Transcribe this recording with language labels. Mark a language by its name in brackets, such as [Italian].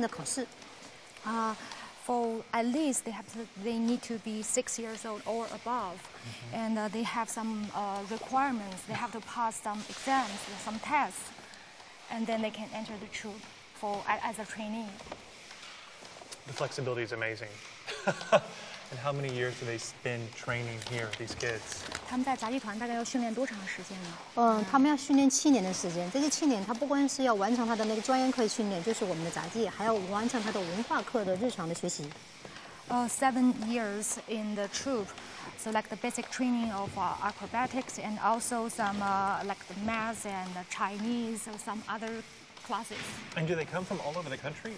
[Chinese] 他入选都还都需要有什么样的条件呢？对小学员来说，首先是年龄，我们最小要收到6岁以上的有自理能力的孩子，然后他们本身的条件要经过我们一些那个专业性的考试。 [English] For at least they need to be 6 years old or above, and they have some requirements. They have to pass some exams, some tests, and then they can enter the troupe for as a trainee. The flexibility is amazing. And how many years do they spend training here, these kids? [Chinese] 他们在杂技团大概要训练多长时间呢？他们要训练7年的时间。这些7年，他不光是要完成他的那个专业课训练，就是我们的杂技，还要完成他的文化课的日常的学习。 [English] 7 years in the troupe, so like the basic training of acrobatics and also some like the math and the Chinese or some other classes. And do they come from all over the country?